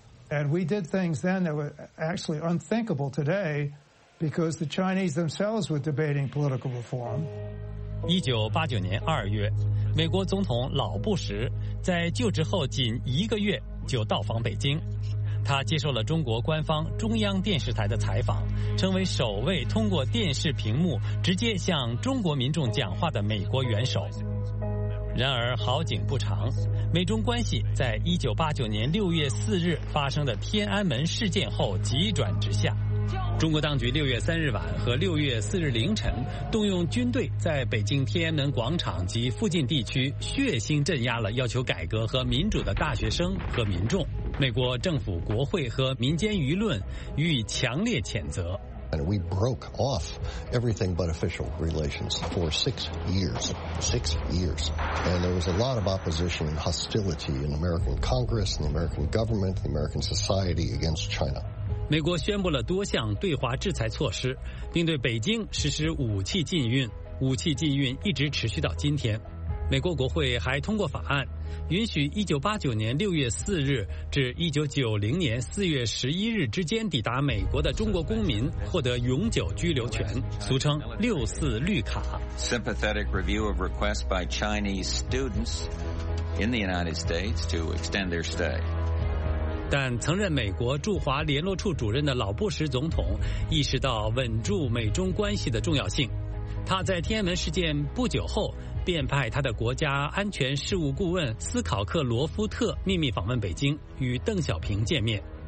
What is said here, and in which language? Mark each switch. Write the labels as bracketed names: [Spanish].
[English] And we did things then that were actually unthinkable today because the Chinese themselves were debating political reform. [Chinese] 1989年2月，美国总统老布什在就职后仅一个月就到访北京，他接受了中国官方中央电视台的采访，成为首位通过电视屏幕直接向中国民众讲话的美国元首。然而好景不长，美中关系在1989年6月4日发生的天安门事件后急转直下。中国当局6月3日晚和6月4日凌晨动用军队在北京天安门广场及附近地区血腥镇压了要求改革和民主的大学生和民众。美国政府、国会和民间舆论予以强烈谴责。 [English] And we broke off everything but official relations for 6 years. 6 years. And there was a lot of opposition and hostility in American Congress, in the American government, the American society against China. [Chinese] 美国宣布了多项对华制裁措施，并对北京实施武器禁运。武器禁运一直持续到今天。美国国会还通过法案，允许1989年6月4日至1990年4月11日之间抵达美国的中国公民获得永久居留权，俗称六四绿卡。 [English] Sympathetic review of requests by Chinese students in the United States to extend their stay。 [Chinese] 但曾任美国驻华联络处主任的老布什总统意识到稳住美中关系的重要性，他在天安门事件不久后便派他的国家安全事务顾问斯考克罗夫特秘密访问北京，与邓小平见面。